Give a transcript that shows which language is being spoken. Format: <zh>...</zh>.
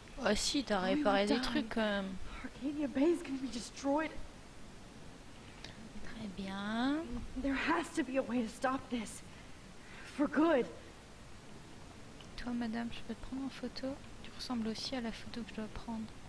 <fr>Oh si, t'as réparé des trucs quand même.</fr> <en>Arcadia Bay is gonna be destroyed.</en> <fr>Très bien.</fr> <en>There has to be a way to stop this. For good.</en> <fr>Toi, madame, je peux te prendre en photo? Tu ressembles aussi à la photo que je dois prendre.</fr>